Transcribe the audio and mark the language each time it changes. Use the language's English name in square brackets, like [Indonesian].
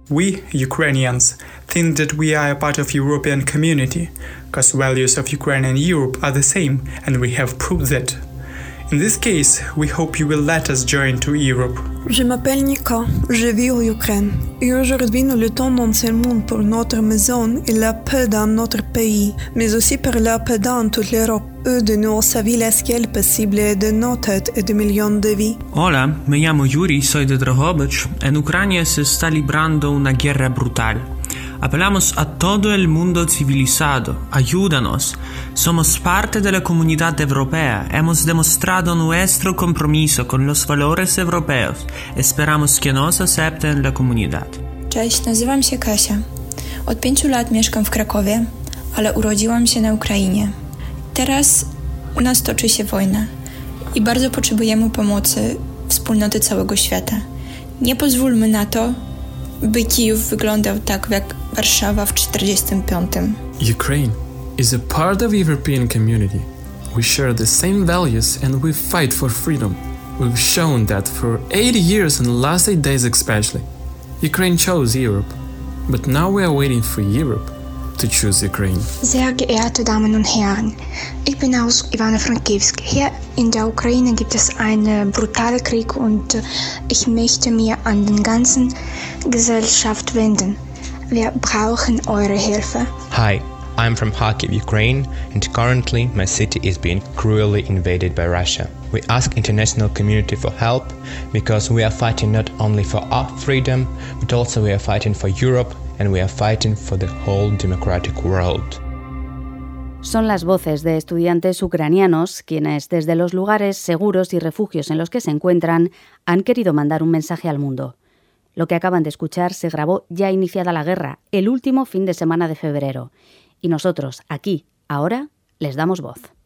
[English] We, Ukrainians, think that we are a part of European community, because values of Ukraine and Europe are the same, and we have proved that. In this case, we hope you will let us join to Europe. [French] Je m'appelle Nika, je vis en Ukraine. Et aujourd'hui, nous luttons non seulement pour notre maison et la paix dans notre pays, mais aussi pour la paix dans toute l'Europe. Eux de nous ont savé la scale possible de nos têtes et de millions de vies. [Spanish] Hola, me llamo Yuri, soy de Drogovic, en Ucrania se está librando una guerra brutal. Apelamos a todo el mundo civilizado, ayúdanos. Somos parte de la comunidad europea, hemos demostrado nuestro compromiso con los valores europeos. Esperamos que nos acepten la comunidad. [Polish] Cześć, nazywam się Kasia. Od 5 lat mieszkam w Krakowie, ale urodziłam się na Ukrainie. Teraz u nas toczy się wojna i bardzo potrzebujemy pomocy wspólnoty całego świata. Nie pozwólmy na to, by Kijów wyglądał tak jak Warszawa w 1945. [English] Ukraine is a part of European community. We share the same values and we fight for freedom. We've shown that for 80 years and the last 8 days especially. Ukraine chose Europe, but now we are waiting for Europe to choose Ukraine. [German] Sehr geehrte Damen und Herren, ich bin aus Ivano-Frankivsk. Hier in der Ukraine gibt es einen brutalen Krieg und ich möchte mich an den ganzen Gesellschaft wenden. Wir brauchen eure Hilfe. [English] Hi, I'm from Kharkiv, Ukraine, and currently my city is being cruelly invaded by Russia. We ask international community for help because we are fighting not only for our freedom, but also we are fighting for Europe and we are fighting for the whole democratic world. [Spanish] Son las voces de estudiantes ucranianos quienes desde los lugares seguros y refugios en los que se encuentran han querido mandar un mensaje al mundo. Lo que acaban de escuchar se grabó ya iniciada la guerra, el último fin de semana de febrero. Y nosotros, aquí, ahora, les damos voz.